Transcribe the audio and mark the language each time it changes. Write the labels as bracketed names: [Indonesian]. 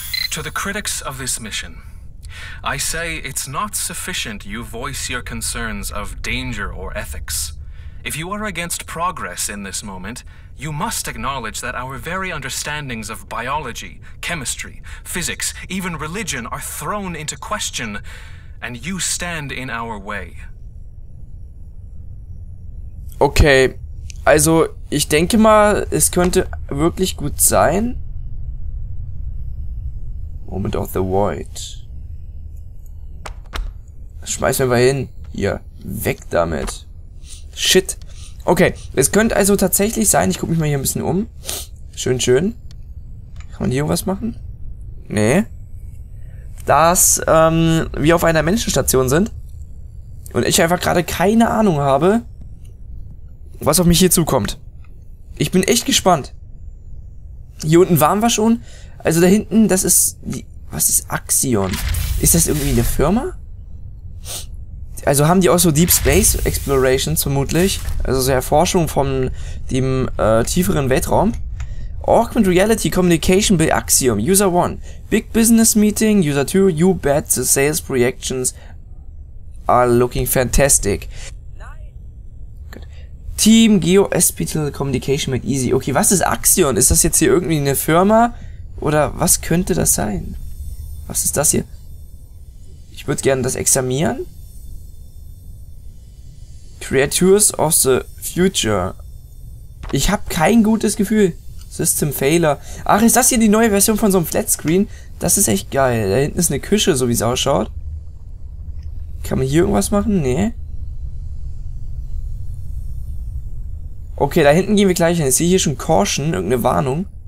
[English] To the critics of this mission. I say it's not sufficient you voice your concerns of danger or ethics. If you are against progress in this moment, you must acknowledge that our very understandings of biology, chemistry, physics, even religion are thrown into question, and you stand in our way. [German] Okay, also ich denke mal, es könnte wirklich gut sein. [English] Moment of the Void. [German] Schmeißen wir mal hin. Hier. Weg damit. Shit. Okay. Es könnte also tatsächlich sein. Ich gucke mich mal hier ein bisschen um. Schön, schön. Kann man hier irgendwas machen? Nee. Dass wir auf einer Menschenstation sind. Und ich einfach gerade keine Ahnung habe, was auf mich hier zukommt. Ich bin echt gespannt. Hier unten waren wir schon. Also da hinten, das ist... Was ist Axion? Ist das irgendwie eine Firma? Also haben die auch so Deep Space Explorations vermutlich. Also so Erforschung von dem tieferen Weltraum. [English] Augmented Reality Communication by Axiom. User 1. Big Business Meeting. User 2. You bet the sales projections are looking fantastic. Good. Team Geospatial Communication made easy. [German] Okay, was ist Axion? Ist das jetzt hier irgendwie eine Firma? Oder was könnte das sein? Was ist das hier? Ich würde gerne das examinieren. [English] Creatures of the Future. [German] Ich habe kein gutes Gefühl. [English] System Failure. [German] Ach, ist das hier die neue Version von so einem Flat Screen? Das ist echt geil. Da hinten ist eine Küche, so wie es ausschaut. Kann man hier irgendwas machen? Nee. Okay, da hinten gehen wir gleich hin. Ich sehe hier schon Caution, irgendeine Warnung.